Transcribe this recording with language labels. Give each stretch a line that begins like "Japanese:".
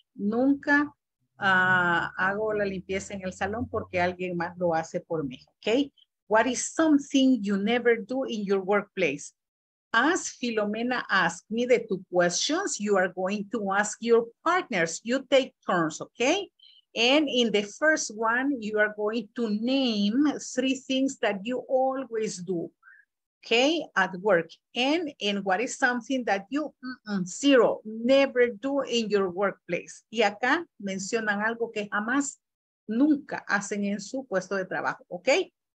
Spanish: Nunca hago la limpieza en el salón porque alguien más lo hace por mí.
English: Okay. What is something you never do in your workplace? As Filomena asked me the two questions, you are going to ask your partners. You take turns, okay? And in the first one, you are going to name three things that you always do, okay, at work. And what is something that you, zero, never do in your workplace?
Spanish: Y acá mencionan algo que jamás, nunca hacen en su puesto de trabajo, okay?